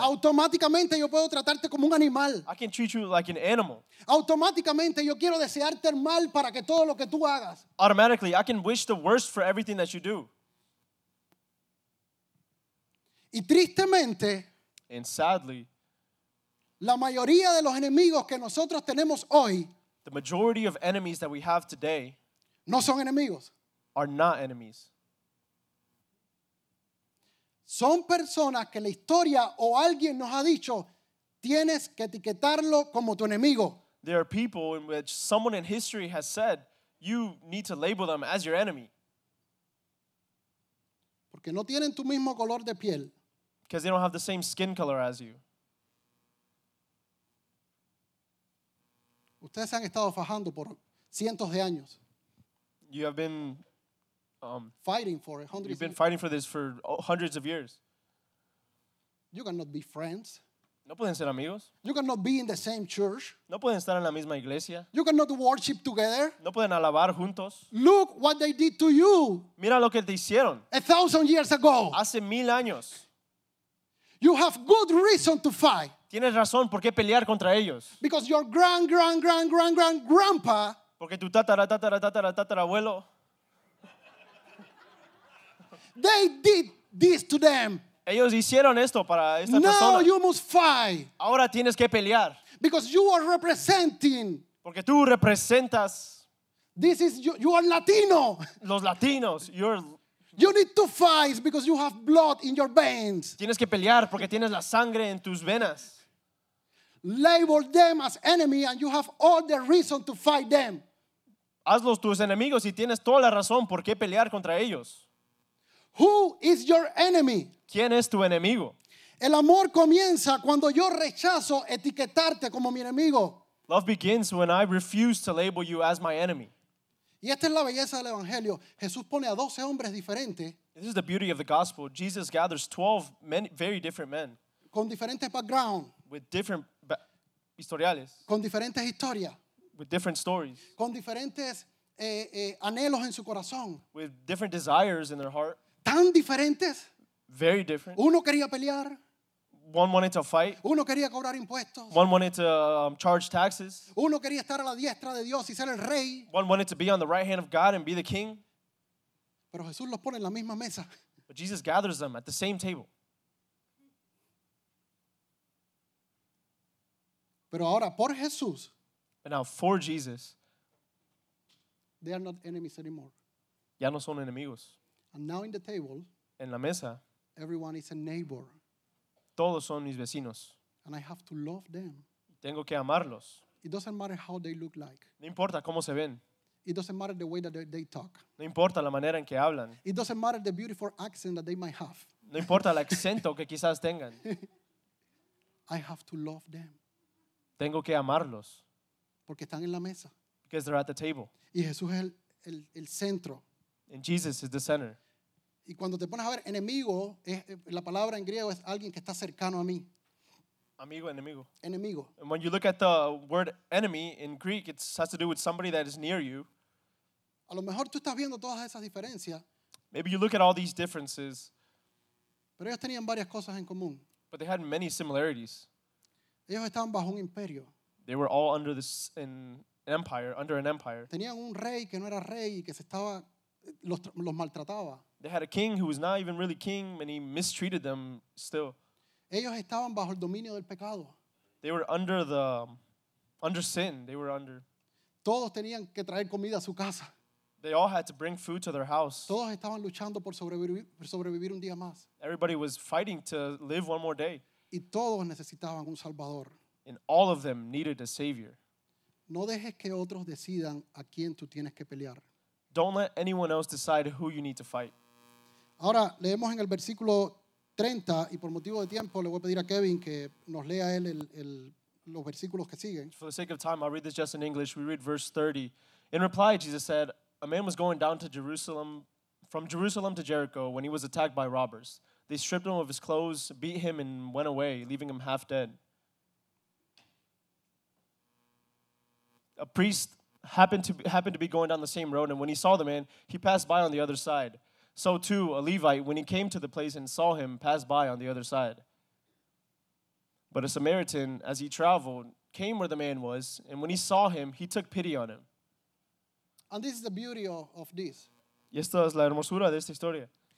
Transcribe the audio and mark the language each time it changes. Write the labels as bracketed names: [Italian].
[Spanish] Automáticamente yo puedo tratarte como un animal. [English] I can treat you like an animal. [Spanish] Automáticamente yo quiero desearte el mal para que todo lo que tú hagas. [English] Automatically I can wish the worst for everything that you do. [Spanish] Y tristemente, [English] and sadly, [Spanish] la mayoría de los enemigos que nosotros tenemos hoy, [English] the majority of enemies that we have today, [Spanish] no son enemigos, [English] are not enemies. [Spanish] Son personas que la historia o alguien nos ha dicho, tienes que etiquetarlo como tu enemigo. [English] There are people in which someone in history has said, you need to label them as your enemy. [Spanish] Porque no tienen tu mismo color de piel. [English] Because they don't have the same skin color as you. [Spanish] Ustedes han estado fajando por cientos de años. [English] You have been fighting for hundreds. You've been fighting for this for hundreds of years. You cannot be friends. [Spanish] No pueden ser amigos. [English] You cannot be in the same church. [Spanish] No pueden estar en la misma iglesia. [English] You cannot worship together. [Spanish] No pueden alabar juntos. [English] Look what they did to you. [Spanish] Mira lo que te hicieron. [English] A thousand years ago. [Spanish] Hace mil años. [English] You have good reason to fight. [Spanish] Tienes razón por qué pelear contra ellos. [English] Because your grandpa [Spanish] Porque tu tatara, tatara, tatara, tatara, abuelo. [English] They did this to them. [Spanish] Ellos hicieron esto para esta [English] Now [Spanish] persona. [English] Now you must fight. [Spanish] Ahora tienes que pelear. [English] Because you are representing. [Spanish] Porque tú representas. [English] This is you are Latino. [Spanish] Los latinos. [English] You need to fight because you have blood in your veins. [Spanish] Tienes que pelear porque tienes la sangre en tus venas. [English] Label them as enemy and you have all the reason to fight them. [Spanish] Hazlos tus enemigos y tienes toda la razón por qué pelear contra ellos. [English] Who is your enemy? [Spanish] ¿Quién es tu enemigo? El amor comienza cuando yo rechazo etiquetarte como mi enemigo. [English] Love begins when I refuse to label you as my enemy. [Spanish] Y esta es la belleza del evangelio. Jesús pone a 12 hombres diferentes. [English] This is the beauty of the gospel. Jesus gathers 12 men, very different men. [Spanish] Con diferentes background. [English] With different historiales. [Spanish] Con diferentes historias. [English] With different stories. [Spanish] Con diferentes anhelos en su corazón. [English] With different desires in their heart. [Spanish] Tan diferentes. [English] Very different. [Spanish] Uno quería pelear. [English] One wanted to fight. [Spanish] Uno quería cobrar impuestos. [English] One wanted to charge taxes. [Spanish] Uno quería estar a la diestra de Dios y ser el rey. [English] One wanted to be on the right hand of God and be the king. [Spanish] Pero Jesús los pone en la misma mesa. [English] But Jesus gathers them at the same table. [Spanish] Pero ahora por Jesús. [English] But now for Jesus. They are not enemies anymore. [Spanish] Ya no son enemigos. [English] And now in the table. [Spanish] En la mesa. [English] Everyone is a neighbor. [Spanish] Todos son mis vecinos. [English] And I have to love them. [Spanish] Tengo que amarlos. [English] It doesn't matter how they look like. [Spanish] No importa cómo se ven. [English] It doesn't matter the way that they talk. [Spanish] No importa la manera en que hablan. [English] It doesn't matter the beautiful accent that they might have. [Spanish] No importa el acento que quizás tengan. [English] I have to love them. [Spanish] Tengo que amarlos. Porque están en la mesa. [English] Because they're at the table. [Spanish] Y Jesús es el centro. [English] And Jesus is the center. [Spanish] Y cuando te pones a ver enemigo, la palabra en griego es alguien que está cercano a mí. Amigo, enemigo. Enemigo. [English] And when you look at the word enemy in Greek, it has to do with somebody that is near you. [Spanish] A lo mejor tú estás viendo todas esas diferencias. [English] Maybe you look at all these differences. [Spanish] Pero ellos tenían varias cosas en común. [English] But they had many similarities. [Spanish] Ellos estaban bajo un imperio. [English] They were all under this an empire, under an empire. [Spanish] Tenían un rey que no era rey y que se estaba los maltrataba. [English] They had a king who was not even really king, and he mistreated them still. [Spanish] Ellos estaban bajo el dominio del pecado. [English] They were under sin. They were under. [Spanish] Todos tenían que traer comida a su casa. [English] They all had to bring food to their house. [Spanish] Todos estaban luchando por sobrevivir un día más. [English] Everybody was fighting to live one more day. [Spanish] Y todos necesitaban un salvador. [English] And all of them needed a savior. [Spanish] No dejes que otros decidan a quién tú tienes que pelear. [English] Don't let anyone else decide who you need to fight. [Spanish] Ahora leemos en el versículo 30 y por motivo de tiempo le voy a pedir a Kevin que nos lea él los versículos que siguen. [English] For the sake of time, I'll read this just in English. We read verse 30. In reply, Jesus said, "A man was going down to Jerusalem from Jerusalem to Jericho when he was attacked by robbers. They stripped him of his clothes, beat him and went away, leaving him half dead. A priest happened to be going down the same road, and when he saw the man, he passed by on the other side. So too, a Levite, when he came to the place and saw him, passed by on the other side. But a Samaritan, as he traveled, came where the man was, and when he saw him, he took pity on him." And this is the beauty of this. [Spanish] Y esto es la hermosura de esta historia.